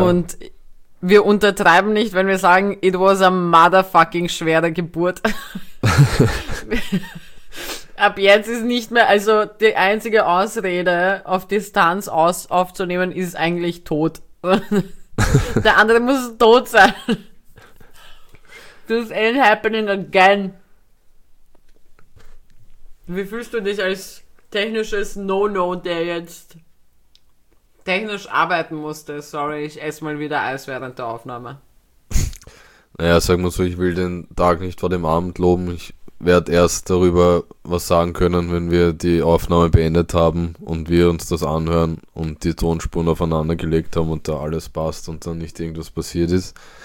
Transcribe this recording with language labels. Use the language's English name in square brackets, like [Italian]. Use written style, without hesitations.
[German] Und wir untertreiben nicht, wenn wir sagen, [English] it was a motherfucking [German] schwere Geburt. Ab jetzt ist nicht mehr, also die einzige Ausrede, auf Distanz aufzunehmen, ist eigentlich tot. Der andere muss tot sein. [English] This ain't happening again. [German] Wie fühlst du dich als technisches No-No, der jetzt technisch arbeiten musste? Sorry, ich esse mal wieder Eis während der Aufnahme. Naja, sag mal so, ich will den Tag nicht vor dem Abend loben. Ich werde erst darüber was sagen können, wenn wir die Aufnahme beendet haben und wir uns das anhören und die Tonspuren aufeinander gelegt haben und da alles passt und dann nicht irgendwas passiert ist.